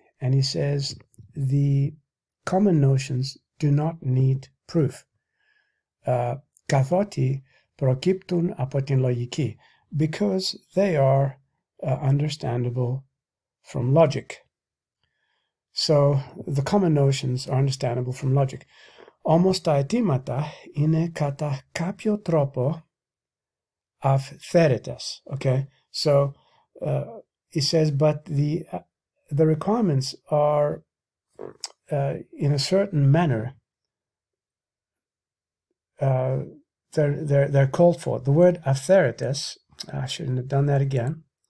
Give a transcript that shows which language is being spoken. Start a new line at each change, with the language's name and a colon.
English: And he says, the common notions do not need proof.
Greek: «Καθότι προκύπτουν από την λογική».
English: Because they are understandable from logic. So the common notions are understandable from logic.
Greek: Όμως τα αιτήματα είναι κατά κάποιο τρόπο αυθαίρετες.
English: Okay, so he says, but the requirements are in a certain manner. They're called for. The word αυθαίρετες. I shouldn't have done that again.